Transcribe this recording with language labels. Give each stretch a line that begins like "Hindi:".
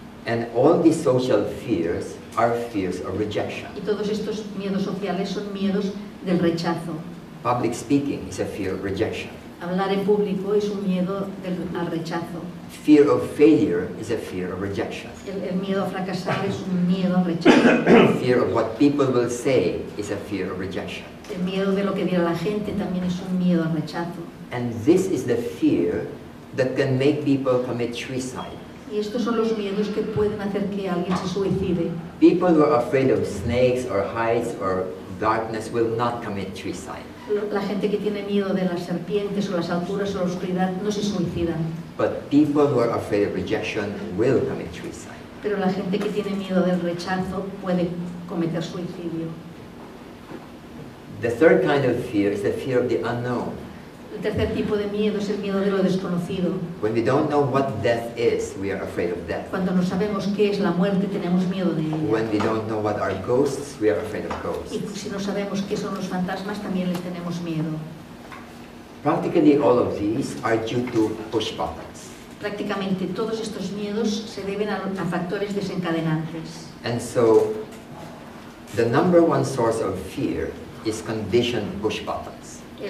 English: And all these social fears are fears of rejection.
Spanish: Y todos estos miedos sociales son miedos del rechazo.
English: Public speaking is a fear of rejection.
Spanish: Hablar en público es un miedo al rechazo.
English: Fear of failure is a fear of rejection.
Spanish: El miedo a fracasar es un miedo al rechazo.
English: Fear of what people will say is a fear of rejection.
Spanish: El miedo de lo que dirá la gente también es un miedo al rechazo.
English: And this is the fear that can make people commit suicide.
Spanish: Y estos son los miedos que pueden hacer que alguien se suicide.
English: People who are afraid of snakes or heights or darkness will not commit suicide.
Spanish: La gente que tiene miedo de las serpientes o las alturas o la oscuridad no se suicidan.
English: But people who are afraid of rejection will commit suicide.
Spanish: Pero la gente que tiene miedo del rechazo puede cometer suicidio.
English: The third kind of fear is the fear of the unknown.
Spanish: El tercer tipo de miedo es el miedo de lo desconocido.
English: When we don't know what death is, we are afraid of death.
Spanish: Cuando no sabemos qué es la muerte, tenemos miedo de ella.
English: When we don't know what are ghosts, we are afraid of ghosts.
Spanish: Y si no sabemos qué son los fantasmas, también les tenemos miedo.
English: Practically all of these are due to push buttons.
Spanish: Prácticamente todos estos miedos se deben a factores desencadenantes.
English: And so, the number one source of fear is conditioned push buttons.